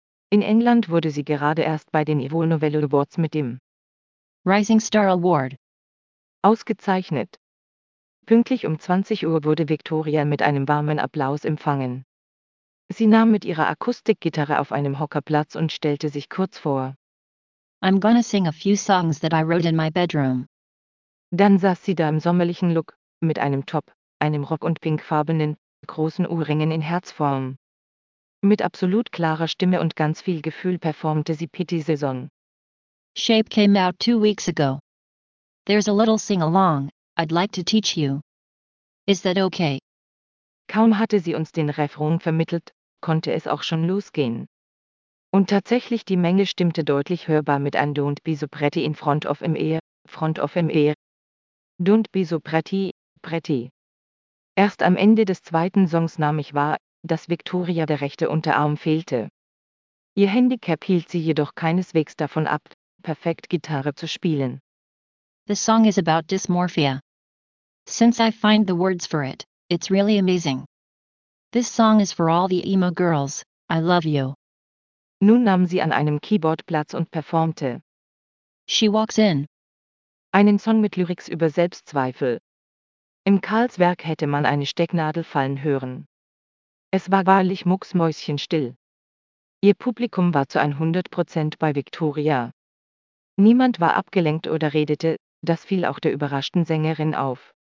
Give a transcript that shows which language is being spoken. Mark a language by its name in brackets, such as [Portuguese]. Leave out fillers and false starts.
[German] In England wurde sie gerade erst bei den Evo Novello Awards mit dem [English] Rising Star Award [German] ausgezeichnet. Pünktlich um 20 Uhr wurde Victoria mit einem warmen Applaus empfangen. Sie nahm mit ihrer Akustikgitarre auf einem Hocker Platz und stellte sich kurz vor. [English] I'm gonna sing a few songs that I wrote in my bedroom. [German] Dann saß sie da im sommerlichen Look, mit einem Top, einem Rock und pinkfarbenen, großen Ohrringen in Herzform. Mit absolut klarer Stimme und ganz viel Gefühl performte sie Pity Saison. [English] Shape came out 2 weeks ago. There's a little sing-along I'd like to teach you. Is that okay? [German] Kaum hatte sie uns den Refrain vermittelt, konnte es auch schon losgehen. Und tatsächlich, die Menge stimmte deutlich hörbar mit an Don't Be So Pretty in Front of Me. Don't Be So Pretty. Erst am Ende des zweiten Songs nahm ich wahr, dass Victoria der rechte Unterarm fehlte. Ihr Handicap hielt sie jedoch keineswegs davon ab, perfekt Gitarre zu spielen. [English] The song is about dysmorphia. Since I find the words for it. It's really amazing. This song is for all the emo girls, I love you. [German] Nun nahm sie an einem Keyboard Platz und performte [English] She Walks In. [German] Einen Song mit Lyrics über Selbstzweifel. Im Karlswerk hätte man eine Stecknadel fallen hören. Es war wahrlich mucksmäuschenstill. Ihr Publikum war zu 100% bei Victoria. Niemand war abgelenkt oder redete, das fiel auch der überraschten Sängerin auf.